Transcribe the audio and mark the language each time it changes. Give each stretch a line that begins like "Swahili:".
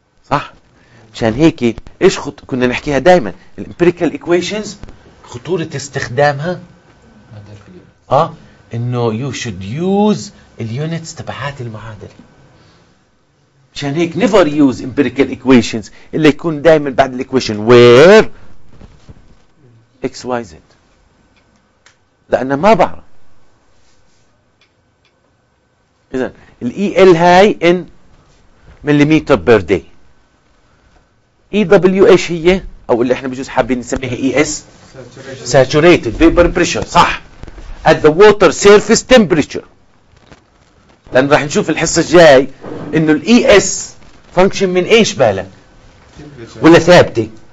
Arabic: صح؟ مشان هيك ايش كنا نحكيها دائما الامبيريكال ايكويشنز خطورة استخدامها انه يو شود يوز اليونتس تبعات المعادلة. مشان هيك
English: never use empirical equations
Arabic: اللي يكون دائما بعد الإيكويشن
English: where x y z،
Arabic: لأنه ما بعرف. إذن الـ EL هاي
English: in millimeter per day.
Arabic: EW إيش هي؟ أو اللي إحنا بجوز حابين نسميها ES
English: saturated vapor pressure.
Arabic: صح،
English: at the water surface temperature.
Arabic: لأن راح نشوف الحصة الجاي إنه الإي إس فانكشن من إيش بالك؟ ولا ثابتة؟